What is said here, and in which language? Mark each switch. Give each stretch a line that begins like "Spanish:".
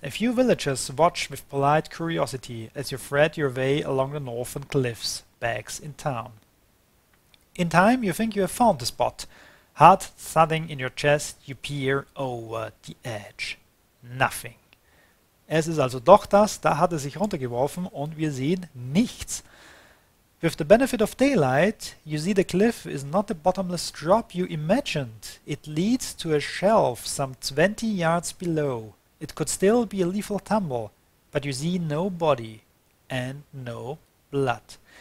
English: A few villagers watch with polite curiosity as you thread your way along the northern cliffs, backs in town. In time you think you have found the spot. Heart thudding in your chest, you peer over the edge. Nothing.
German: Es ist also doch das, da hat er sich runtergeworfen und wir sehen nichts.
English: With the benefit of daylight, you see the cliff is not the bottomless drop you imagined. It leads to a shelf some 20 yards below. It could still be a lethal tumble, but you see no body and no blood.